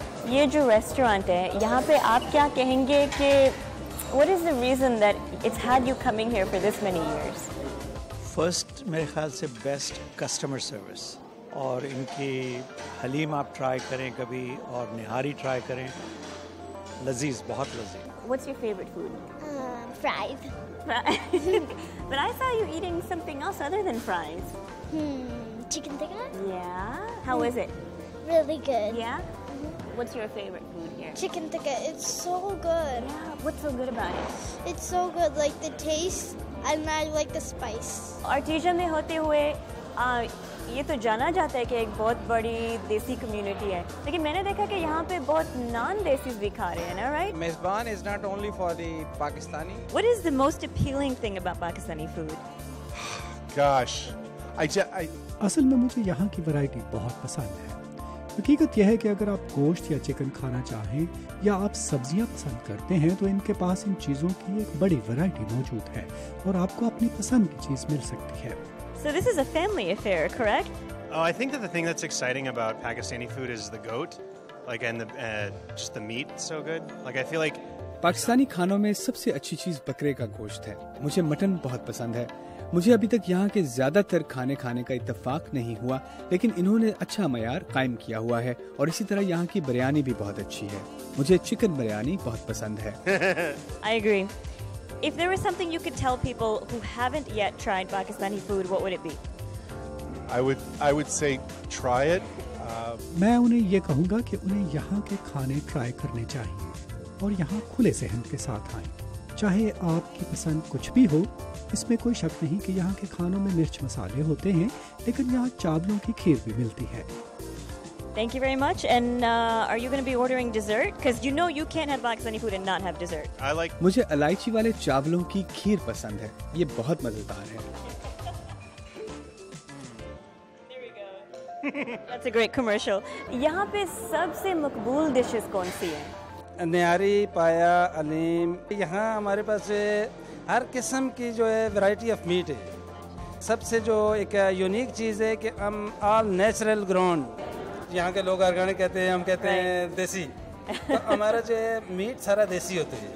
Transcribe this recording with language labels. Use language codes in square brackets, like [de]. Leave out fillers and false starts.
[hi] ये जो रेस्टोरेंट है यहाँ पे आप क्या कहेंगे कि [en] what is the reason that it's had you coming here for this many years [hi] first मेरे ख्याल से बेस्ट कस्टमर सर्विस और इनकी हलीम आप ट्राई करें कभी और निहारी ट्राई करें लजीज बहुत लजीज [en] What's your favorite food? Fries. But I saw you eating something else other than fries. Chicken tikka? Yeah. How is it? Really good. Yeah? Mm-hmm. What's your favorite food here? Chicken tikka. It's so good. Yeah. What's so good about it? It's so good. Like the taste and I like the spice. [hi] Artisha mein hote hue, ये तो जाना जाता है कि एक बहुत बड़ी देसी कम्युनिटी है, लेकिन मैंने देखा कि यहाँ पे बहुत नॉन देसी भी खा रहे हैं ना, right? [en] मेज़बान is not only for the Pakistani. What is the most appealing thing about Pakistani food? Gosh, [hi] असल में मुझे यहाँ की वैरायटी बहुत पसंद है। हकीकत यह है कि अगर आप गोश्त या चिकन खाना चाहें या आप सब्जियां पसंद करते हैं तो इनके पास इन चीजों की एक बड़ी वैरायटी मौजूद है और आपको अपनी पसंद की चीज मिल सकती है। [en] So this is a family affair, correct? Oh, I think that the thing that's exciting about Pakistani food is the goat, like, and the just the meat so good. Like, I feel like [hi] Pakistani khanon mein sabse achhi cheez bakre ka gosht hai. Mujhe mutton bahut pasand hai. मुझे अभी तक यहाँ के ज्यादातर खाने खाने का इत्तेफाक नहीं हुआ, लेकिन इन्होंने अच्छा मयार कायम किया हुआ है और इसी तरह यहाँ की बिरयानी भी बहुत अच्छी है। मुझे चिकन बिरयानी बहुत पसंद है। [en] I agree. If there was something you could tell people who haven't yet tried Pakistani food, what would it be? I would say try it. [hi] मैं उन्हें ये कहूँगा कि उन्हें यहाँ के खाने ट्राई करने चाहिए और यहाँ खुले जहन के साथ आए। चाहे आपकी पसंद कुछ भी हो, इसमें कोई शक नहीं कि यहाँ के खानों में मिर्च मसाले होते हैं, लेकिन यहाँ चावलों की खीर भी मिलती है। [en] Thank you very much. And are you going to be ordering dessert? Because you know you can't have Pakistani food and not have dessert. I like. [hi] मुझे इलायची वाले चावलों की खीर पसंद है। ये बहुत मजेदार है। [en] There we go. That's a great commercial. [hi] यहाँ पे सबसे मकबूल डिशेस कौन सी हैं? न्यारी, पाया, अलीम। यहाँ हमारे पास हर किस्म की जो है वैरायटी ऑफ मीट है। सबसे जो एक यूनिक चीज़ है कि हम [en] all natural grown, [hi] यहाँ के लोग ऑर्गेनिक कहते हैं, हम कहते हैं देसी, तो हमारा जो है मीट सारा देसी होते हैं।